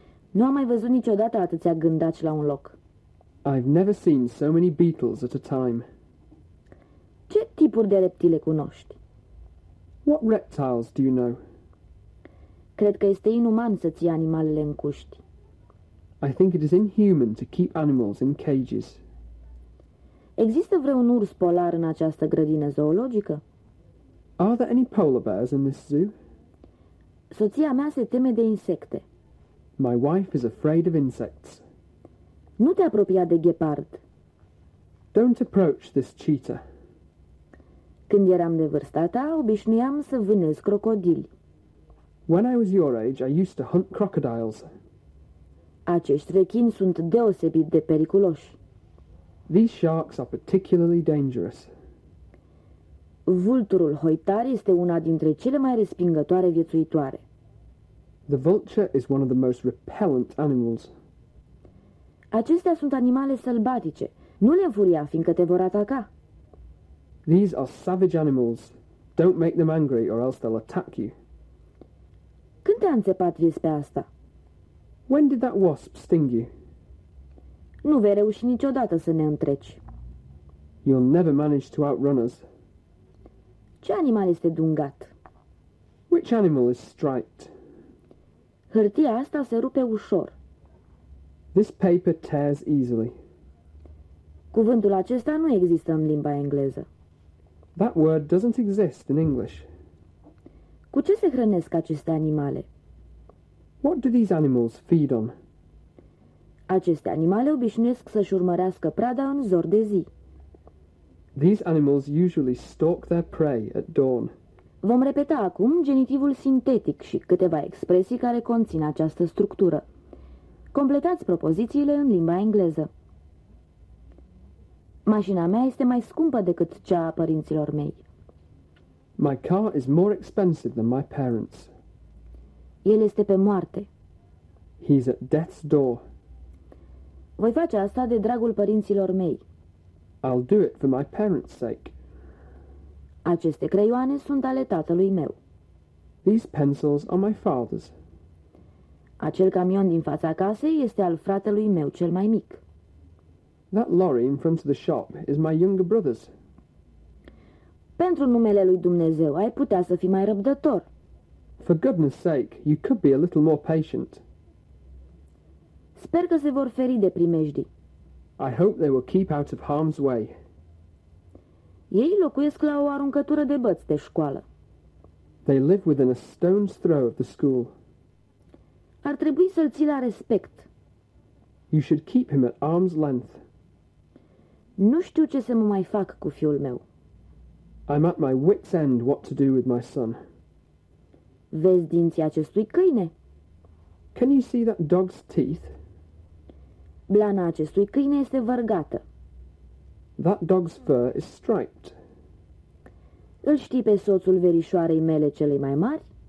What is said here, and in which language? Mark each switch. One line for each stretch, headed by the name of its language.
Romanian: Nu am mai văzut niciodată atâția gândaci la un loc.
English: I've never seen so many beetles at a time.
Romanian: Ce tipuri de reptile cunoști?
English: What reptiles do you know?
Romanian: Cred că este inuman să ții animalele în cuști.
English: I think it is inhuman to keep animals in cages.
Romanian: Există vreun urs polar în această grădină zoologică?
English: Are there any polar bears in this zoo?
Romanian: Soția mea se teme de insecte.
English: My wife is afraid of insects.
Romanian: Nu te apropia de ghepard.
English: Don't approach this cheetah.
Romanian: Când eram de vârsta ta, obișnuiam să vânez crocodili.
English: When I was your age, I used to hunt crocodiles.
Romanian: Acești rechini sunt deosebit de periculoși.
English: These sharks are particularly dangerous.
Romanian: Vulturul hoitar este una dintre cele mai respingătoare viețuitoare.
English: The vulture is one of the most repellent animals.
Romanian: Acestea sunt animale sălbatice. Nu le înfuria, fiindcă te vor ataca.
English: These are savage animals. Don't make them angry or else they'll attack you.
Romanian: Când te-a înțepat vispea asta?
English: When did that wasp sting you?
Romanian: Nu vei reuși niciodată să ne întreci.
English: You'll never manage to outrun us.
Romanian: Ce animal este dungat?
English: Which animal is striped?
Romanian: Hârtia asta se rupe ușor.
English: This paper tears easily.
Romanian: Cuvântul acesta nu există în limba engleză.
English: That word doesn't exist in English.
Romanian: Cu ce se hrănesc aceste animale?
English: What do these animals feed on?
Romanian: Aceste animale obișnuiesc să-și urmărească prada în zori de zi.
English: These animals usually stalk their prey at dawn.
Romanian: Vom repeta acum genitivul sintetic și câteva expresii care conțin această structură. Completați propozițiile în limba engleză. Mașina mea este mai scumpă decât cea a părinților mei.
English: My car is more expensive than my parents.
Romanian: El este pe moarte.
English: He's at death's door.
Romanian: Voi face asta de dragul părinților mei.
English: I'll do it for my parents' sake.
Romanian: Aceste creioane sunt ale tatălui meu.
English: These pencils are my father's.
Romanian: Acel camion din fața casei este al fratelui meu cel mai mic.
English: That lorry in front of the shop is my younger brother's.
Romanian: Pentru numele lui Dumnezeu, ai putea să fii mai răbdător.
English: For goodness sake, you could be a little more patient.
Romanian: Sper că se vor feri de primejdii.
English: I hope they will keep out of harm's way.
Romanian: Ei locuiesc la o aruncătură de băți de școală.
English: They live within a stone's throw of the school.
Romanian: Ar trebui să-l ții la respect.
English: You should keep him at arm's length.
Romanian: Nu știu ce să mă mai fac cu fiul meu.
English: I'm at my wit's end what to do with my son.
Romanian: Vezi dinții acestui câine?
English: Can you see that dog's teeth?
Romanian: Blana acestui câine este vărgată.
English: That dog's fur is striped.
Romanian: Îl știi pe soțul verișoarei mele celei mai mari?